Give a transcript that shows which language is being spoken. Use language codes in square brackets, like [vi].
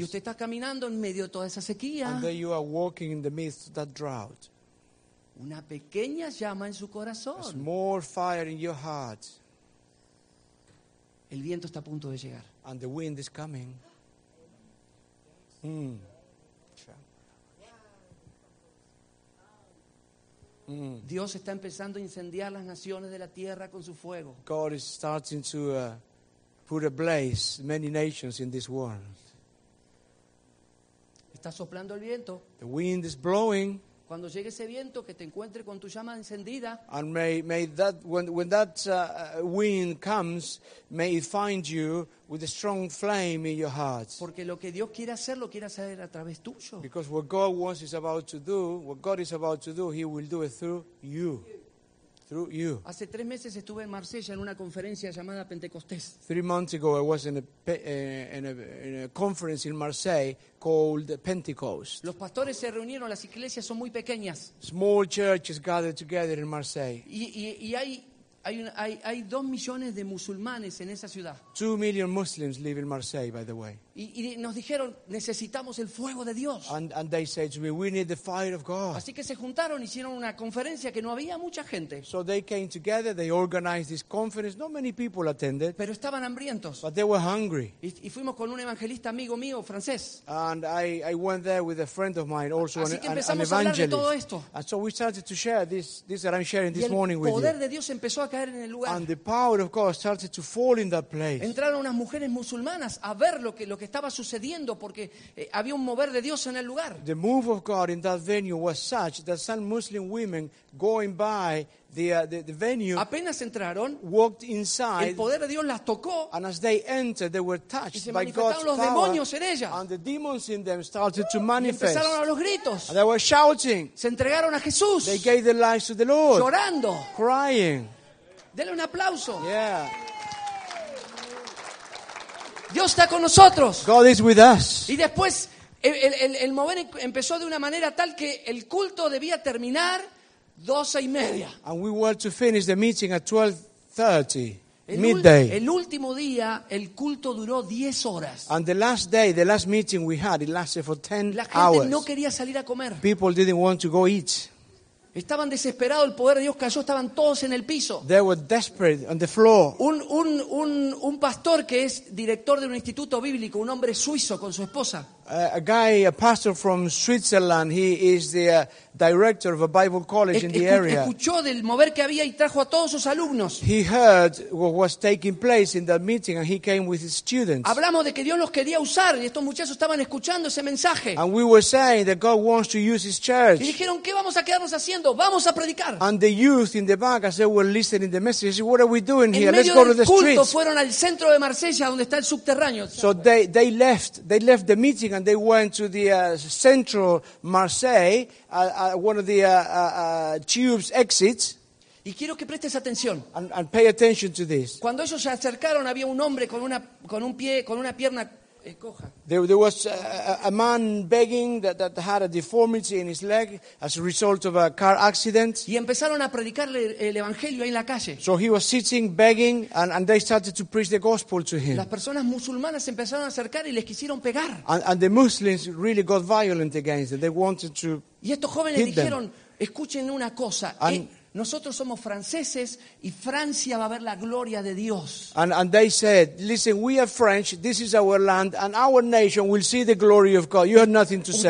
[es] y usted está caminando en medio de toda esa sequía, [en] and then you are walking in the midst of that drought. [es] Una pequeña llama en su corazón. [en] A small fire in your heart. [es] El viento está a punto de llegar. [en] And the wind is coming. Mm. Mm. [es] Dios está empezando a incendiar las naciones de la tierra con su fuego. [en] God is starting to put ablaze many nations in this world. [es] Está soplando el viento. [en] The wind is blowing. [es] Cuando llegue ese viento que te encuentre con tu llama encendida. [en] And may that when that wind comes, may it find you with a strong flame in your heart. [es] Porque lo que Dios quiere hacer lo quiere hacer a través tuyo. [en] Because what God wants is about to do, what God is about to do, He will do it through you. Through you. [es] Hace tres meses estuve en Marsella en una conferencia llamada Pentecostés. [en] 3 months ago I was in a conference in Marseille called Pentecost. [es] Los pastores se reunieron, las iglesias son muy pequeñas. [en] Small churches gathered together in Marseille. [es] Y hay 2 millones de musulmanes en esa ciudad. [en] 2 million Muslims live in Marseille, by the way. [es] Y nos dijeron, necesitamos el fuego de Dios. [en] And they said to me, we need the fire of God. [es] Así que se juntaron, hicieron una conferencia que no había mucha gente. [en] So they came together, they organized this conference. Not many people attended. [es] Pero estaban hambrientos. [en] But they were hungry. [es] Y fuimos con un evangelista amigo mío, francés. [en] And I went there with a friend of mine, also an evangelist. [es] Así que empezamos a hablar de todo esto. [en] And so we started to share this that I'm sharing this morning with you. [es] Y el poder de Dios empezó a caer en el lugar. [en] And the power of God started to fall in that place. [es] Entraron unas mujeres musulmanas a ver lo que estaba sucediendo porque había un mover de Dios en el lugar. [en] The move of God in that venue was such that some Muslim women going by the venue, [es] apenas entraron, [en] walked inside, [es] el poder de Dios las tocó, [en] and as they entered they were touched by God's [es] power, demonios en ellas, [en] and the demons in them started to manifest, [es] y empezaron a los gritos, [en] and they were shouting, [es] se entregaron a Jesús, [en] they gave their lives to the Lord, [es] llorando, [en] crying. [es] Denle un aplauso. [en] Yeah. [es] Dios está con nosotros. [en] God is with us. [es] Y después el mover empezó de una manera tal que el culto debía terminar 12:30. [en] And we were to finish the meeting at 12:30, midday. [es] El último día el culto duró 10 horas. [en] And the last day, the last meeting we had, it lasted for 10 hours. [es] La gente [en] hours. [es] No quería salir a comer. [en] People didn't want to go eat. [es] Estaban desesperados, el poder de Dios cayó, estaban todos en el piso. [en] They were desperate on the floor. [es] Un pastor que es director de un instituto bíblico, un hombre suizo con su esposa. [en] A pastor from Switzerland, he is the director of a Bible college in the area. [es] Escuchó del mover que había y trajo a todos sus alumnos. [en] He heard what was taking place in that meeting and he came with his students. [es] Hablamos de que Dios los quería usar y estos muchachos estaban escuchando ese mensaje. [en] And we were saying that God wants to use his church. [es] Y dijeron, ¿qué vamos a quedarnos haciendo? Vamos a predicar. [en] And the youth in the back, as they were listening to the message, said, what are we doing here? Let's go to the streets. [es] En medio del culto fueron al centro de Marsella donde está el subterráneo. [en] So they left the meeting and they went to the central Marseille, one of the tubes exits. [es] Y quiero que prestes atención. [en] And pay attention to this. [es] Cuando ellos se acercaron, había un hombre con una pierna coja. [en] There was a man begging that had a deformity in his leg as a result of a car accident. [es] Y empezaron a predicarle el evangelio ahí en la calle. [en] So he was sitting begging and they started to preach the gospel to him. [es] Las personas musulmanas empezaron a acercar y les quisieron pegar. [en] And the Muslims really got violent against it. They wanted to hit them. [es] Y estos jóvenes dijeron, escuchen una cosa. Nosotros somos franceses y Francia va a ver la gloria de Dios. [en] And they said, listen, we are French, this is our land, and our nation will see the glory of God. You have nothing to say.